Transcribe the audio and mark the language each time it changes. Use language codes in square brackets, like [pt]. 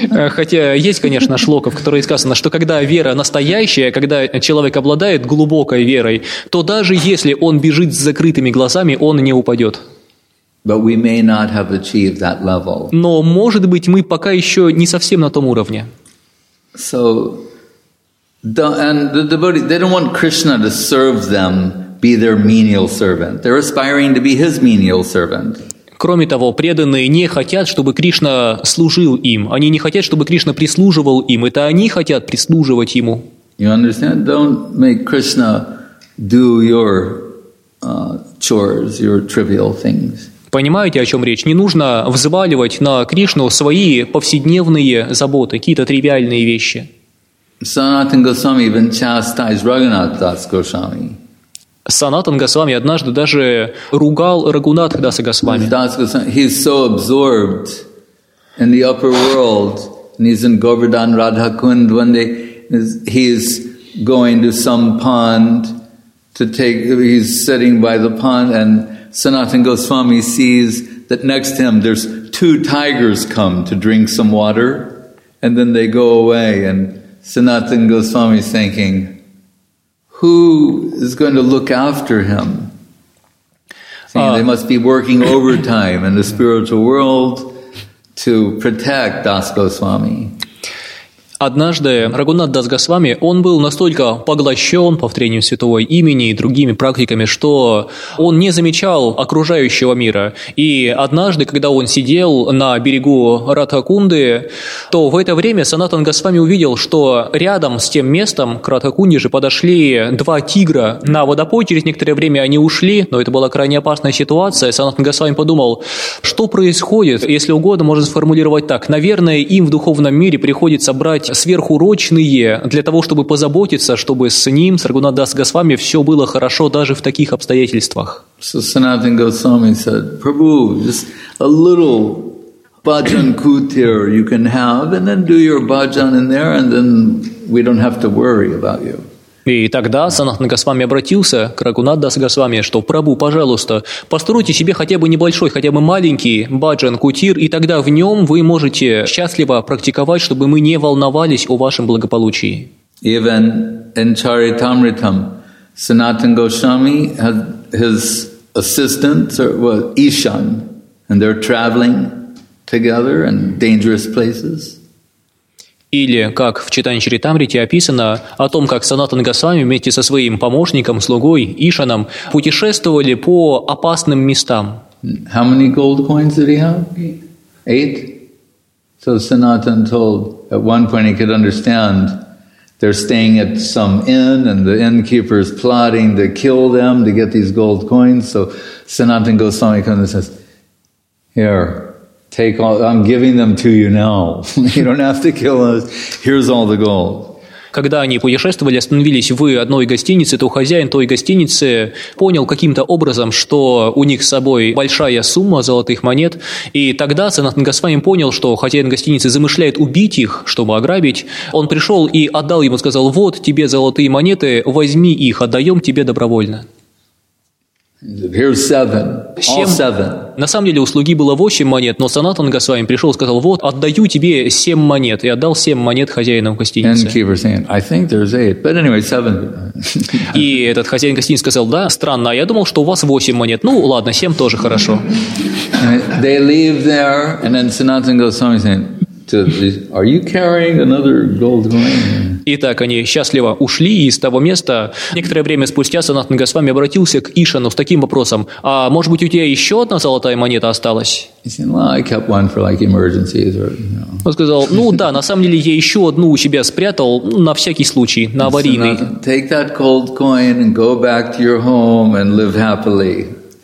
[ru] Хотя есть, конечно, шлока, в которой сказано, что когда вера настоящая, когда человек обладает глубокой верой, то даже если он бежит с закрытыми глазами, он не упадет. [en] But we may not have achieved that level. [ru] Но, может быть, мы пока еще не совсем на том уровне. [en] So, and the devotees, they don't want Krishna to serve them, be their menial servant. They're aspiring to be his menial servant. [ru] Кроме того, преданные не хотят, чтобы Кришна служил им. Они не хотят, чтобы Кришна прислуживал им. Это они хотят прислуживать ему. [en] You understand? Don't make Krishna do your chores, your trivial things. [ru] Понимаете, о чем речь? Не нужно взваливать на Кришну свои повседневные заботы, какие-то тривиальные вещи. [en] Sanatan Goswami even chastised Raghunath Das Goswami. [ru] Sanatan Goswami однажды даже ругал Рагунатха Даса Госвами. [en] He's so absorbed in the upper world, and he's in Govardhan Radhakund, when he's going to some pond to take, he's sitting by the pond, and Sanatana Goswami sees that next to him there's two tigers come to drink some water, and then they go away, and Sanatana Goswami's thinking, who is going to look after him? See, they must be working overtime in the spiritual world to protect Das Goswami. [ru] Однажды Рагхунат Дас Госвами, он был настолько поглощен повторением святого имени и другими практиками, что он не замечал окружающего мира. И однажды, когда он сидел на берегу Радхакунды, то в это время Санатан Госвами увидел, что рядом с тем местом, к Радхакунде же, подошли два тигра на водопой. Через некоторое время они ушли, но это была крайне опасная ситуация. Санатан Госвами подумал, что происходит, если угодно, можно сформулировать так. Наверное, им в духовном мире приходится брать сверхурочные для того, чтобы позаботиться, чтобы с ним, с Рагхунат Дас Госвами, все было хорошо даже в таких обстоятельствах. [en] So Sanatan Goswami said, Prabhu, just a little bhajan kutir you can have, and then do your bhajan in there, and then we don't have to worry about you. [ru] И тогда Санатан Госвами обратился к Рагхунат Дас Госвами, что «Прабу, пожалуйста, постройте себе хотя бы небольшой, хотя бы маленький баджан кутир, и тогда в нем вы можете счастливо практиковать, чтобы мы не волновались о вашем благополучии». [en] Even in Charitamritam, Sanatan Goswami had his assistants, or well, Ishan, and they're traveling together in dangerous places. [ru] Или, как в Читании Чаритамрите описано, о том, как Санатан Госвами вместе со своим помощником, слугой Ишаном, путешествовали по опасным местам. [en] How many gold coins did he have? Eight. So Sanatan told, at one point he could understand, they're staying at some inn, and the innkeeper is plotting to kill them to get these gold coins. So Sanatan Goswami comes and says, here, take all, I'm giving them to you now. You don't have to kill us. Here's all the gold. [ru] Когда они путешествовали, остановились в одной гостинице, то хозяин той гостиницы понял каким-то образом, что у них с собой большая сумма золотых монет. И тогда Санатан Госвами понял, что хозяин гостиницы замышляет убить их, чтобы ограбить. Он пришел и отдал ему, сказал, вот тебе золотые монеты, возьми их, отдаем тебе добровольно. [en] Here's seven. All seven. [ru] На самом деле у слуги было 8 монет, но Санатан Госвами пришел и сказал, вот, отдаю тебе 7 монет, и отдал 7 монет хозяину гостиницы. [en] And keeper saying, I think there's eight, but anyway, seven. [ru] И этот хозяин гостиницы сказал, да, странно, я думал, что у вас 8 монет. Ну, ладно, 7 тоже хорошо. [en] They leave there, and then Sanatan Goswami saying, are you carrying another gold coin? [ru] Итак, они счастливо ушли из того места. Некоторое время спустя Санатан Госвами обратился к Ишану с таким вопросом. А может быть, у тебя еще одна золотая монета осталась? [en] He said, well, I kept one for like emergencies or, you know. [ru] Он сказал, ну да, на самом деле я еще одну у себя спрятал на всякий случай, на аварийный. [en] Sanatan, take that gold coin and go back to your home and live happily.